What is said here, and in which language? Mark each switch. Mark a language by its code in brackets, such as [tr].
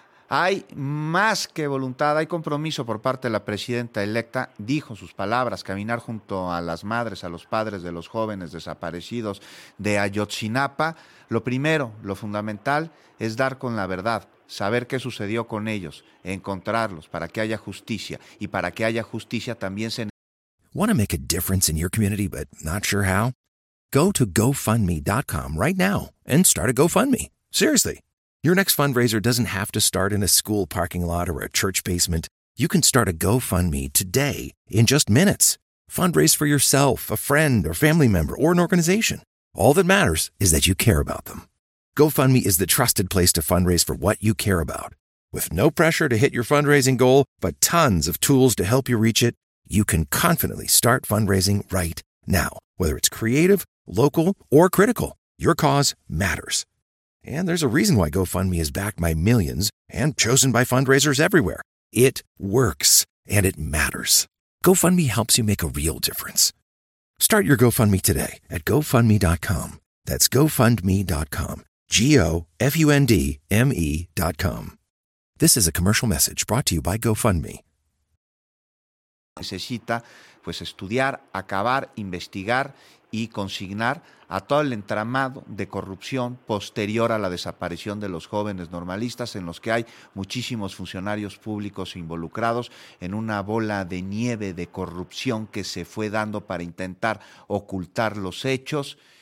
[es] Hay más que voluntad, hay compromiso por parte de la presidenta electa, dijo sus palabras, caminar junto a las madres, a los padres de los jóvenes desaparecidos de Ayotzinapa. Lo primero, lo fundamental, es dar con la verdad, saber qué sucedió con ellos, encontrarlos para que haya justicia, y para que haya justicia también se... [en] Want to make a difference in your community but not sure how? Go to GoFundMe.com right now and start a GoFundMe. Seriously. Your next fundraiser doesn't have to start in a school parking lot or a church basement. You can start a GoFundMe today in just minutes. Fundraise for yourself, a friend, or family member, or an organization. All that matters is that you care about them. GoFundMe is the trusted place to fundraise for what you care about. With no pressure to hit your fundraising goal, but tons of tools to help you reach it, you can confidently start fundraising right now. Whether it's creative, local, or critical, your cause matters. And there's a reason why GoFundMe is backed by millions and chosen by fundraisers everywhere. It works, and it matters. GoFundMe helps you make a real difference. Start your GoFundMe today at GoFundMe.com. That's GoFundMe.com. GoFundMe.com. This is a commercial message brought to you by GoFundMe. [es] Necesita, pues, estudiar, acabar, investigar y consignar a todo el entramado de corrupción posterior a la desaparición de los jóvenes normalistas, en los que hay muchísimos funcionarios públicos involucrados en una bola de nieve de corrupción que se fue dando para intentar ocultar los hechos.